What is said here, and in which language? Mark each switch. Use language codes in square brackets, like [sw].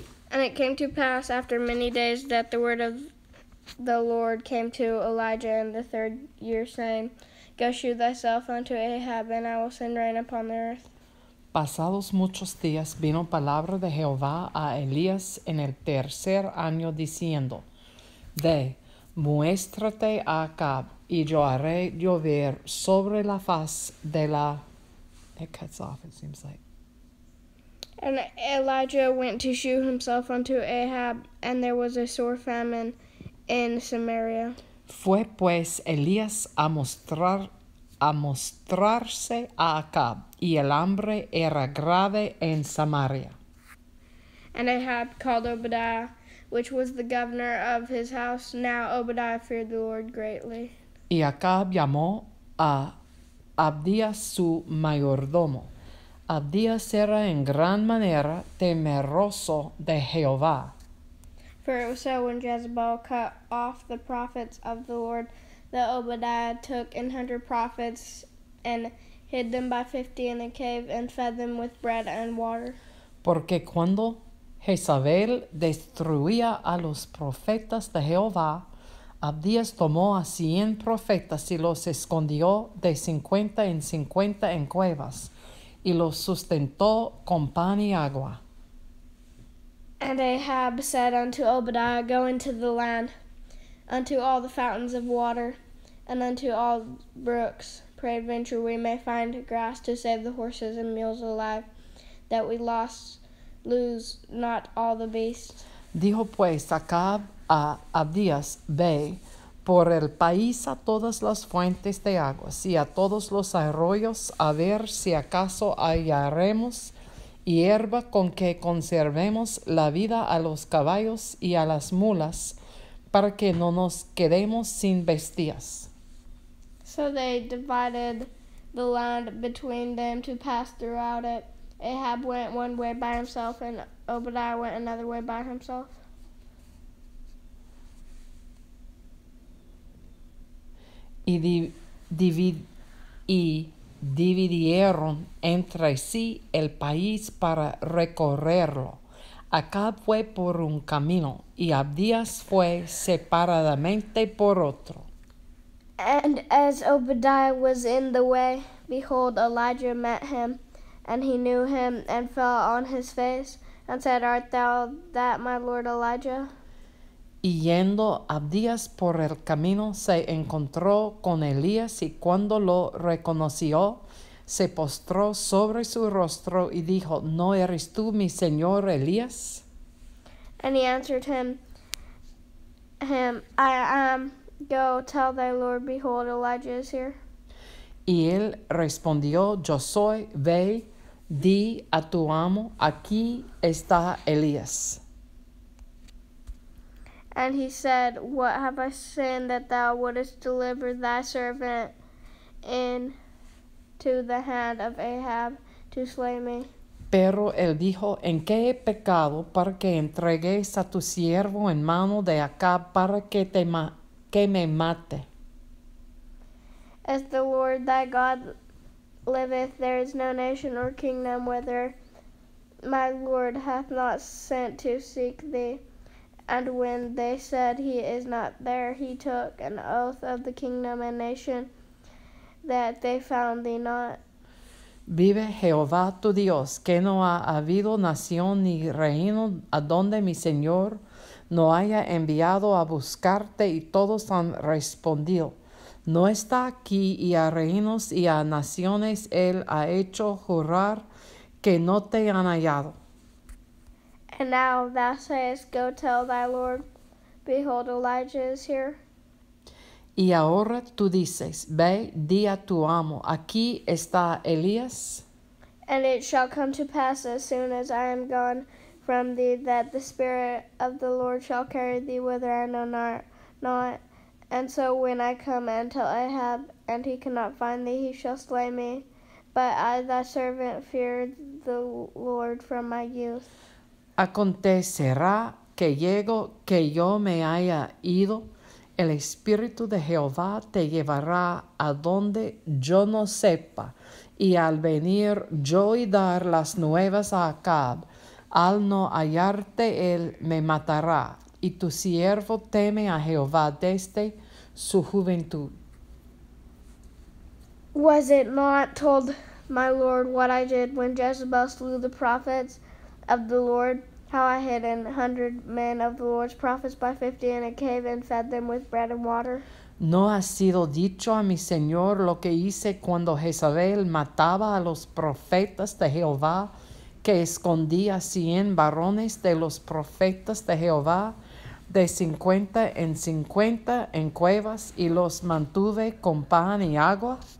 [en] And it came to pass after many days that the word of the Lord came to Elijah in the third year, saying, Go shew thyself unto Ahab, and I will send rain upon the earth. [es] Pasados muchos días vino palabra de Jehová a Elías en el tercer año, diciendo, Ve, muéstrate a Acab, y yo haré llover sobre la faz de la... [en] It cuts off, it seems like. And Elijah went to shew himself unto Ahab, and there was a sore famine in Samaria. [es] Fue pues Elías a mostrarse a Acab, y el hambre era grave en Samaria. [en] And Ahab called Obadiah, which was the governor of his house. Now Obadiah feared the Lord greatly. [es] Y Acab llamó a Abdías su mayordomo. Abdías era en gran manera temeroso de Jehová. [en] For it was so when Jezebel cut off the prophets of the Lord, that Obadiah took 100 prophets and hid them by 50 in a cave and fed them with bread and water. [es] Porque cuando Jezabel destruía a los profetas de Jehová, Abdías tomó a 100 profetas y los escondió de 50 en 50 en cuevas, y los sustentó con pan y agua. [en] And Ahab said unto Obadiah, Go into the land, unto all the fountains of water, and unto all brooks. Peradventure we may find grass to save the horses and mules alive, that we lose not all the beasts. [es] Dijo pues Acab a Abdías, Ve por el país a todas las fuentes de aguas y a todos los arroyos a ver si acaso hallaremos hierba con que conservemos la vida a los caballos y a las mulas para que no nos quedemos sin bestias. [en] So they divided the land between them to pass throughout it. Ahab went one way by himself, and Obadiah went another way by himself. [es] Y dividieron entre sí el país para recorrerlo. Acab fue por un camino, y Abdías fue separadamente por otro. [en] And as Obadiah was in the way, behold, Elijah met him. And he knew him, and fell on his face, and said, Art thou that, my lord Elijah? [es] Y yendo Abdías por el camino, se encontró con Elías, y cuando lo reconoció, se postró sobre su rostro, y dijo, ¿No eres tú mi señor Elías? [en] And he answered him, I am. Go tell thy lord, behold, Elijah is here. [es] Y él respondió, Yo soy, ve, di a tu amo, aquí está Elías. [en] And he said, What have I sinned that thou wouldest deliver thy servant into the hand of Ahab to slay me? [es] Pero él dijo, ¿En qué he pecado para que entregues a tu siervo en mano de Acab para que me mate? [en] As the Lord thy God liveth, there is no nation or kingdom whither my Lord hath not sent to seek thee. And when they said he is not there, he took an oath of the kingdom and nation that they found thee not. [es] Vive Jehová tu Dios, que no ha habido nación ni reino adonde mi Señor no haya enviado a buscarte, y todos han respondido. No está aquí, y a reinos y a naciones él ha hecho jurar que no te han hallado. [en] And now thou sayest, Go tell thy Lord, behold, Elijah is here. [es] Y ahora tú dices, Ve, di a tu amo, aquí está Elías. [en] And it shall come to pass as soon as I am gone from thee, that the Spirit of the Lord shall carry thee whither I know not. And so when I come and tell Ahab, and he cannot find thee, he shall slay me. But I, thy servant, fear the Lord from my youth. [es] Acontecerá que llego que yo me haya ido, el Espíritu de Jehová te llevará a donde yo no sepa. Y al venir yo y dar las nuevas a Acab, al no hallarte él me matará. Y tu siervo teme a Jehová desde su juventud. [en] Was it not told my lord what I did when Jezebel slew the prophets of the Lord? How I hid 100 men of the Lord's prophets by 50 in a cave and fed them with bread and water? [es] ¿No ha sido dicho a mi señor lo que hice cuando Jezabel mataba a los profetas de Jehová, que escondía 100 varones de los profetas de Jehová de 50 en 50 en cuevas y los mantuve con pan y agua?